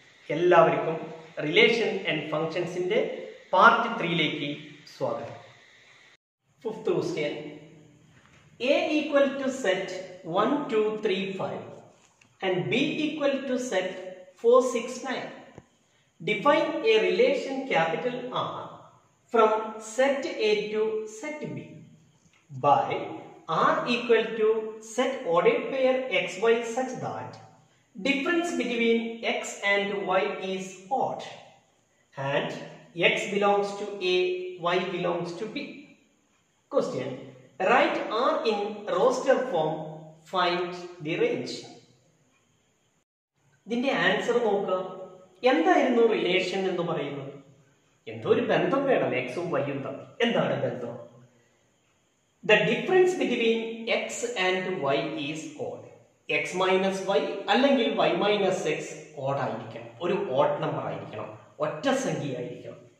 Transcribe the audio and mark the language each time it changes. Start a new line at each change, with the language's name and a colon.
Malayalam: എല്ലാവർക്കും relation and ഫങ്ഷൻസിൻ്റെ part 3 സ്വാഗതം. Fifth question.
English: A equal to set 1, 2, 3, 5 and B equal to set 4, 6, 9. Define a relation capital R from set A to set B by R equal to set ordered pair XY such that difference between X and Y is odd and X belongs to A, Y belongs to B. Question. Write R in roster form, find the range.
Malayalam: ഇതിന്റെ answer നോക്ക. എന്തായിരുന്നു relation എന്ന് പറയുന്നത്? എന്തോ ഒരു ബന്ധം വേണം എക്സും വൈയും തമ്മിൽ. എന്താണ് ബന്ധം?
English: The difference between X and Y is odd.
Malayalam: X minus Y അല്ലെങ്കിൽ വൈ മൈനസ് എക്സ് ഓഡ് ആയിരിക്കണം, ഒരു ഓഡ് നമ്പർ ആയിരിക്കണം, ഒറ്റ സംഖ്യയായിരിക്കണം.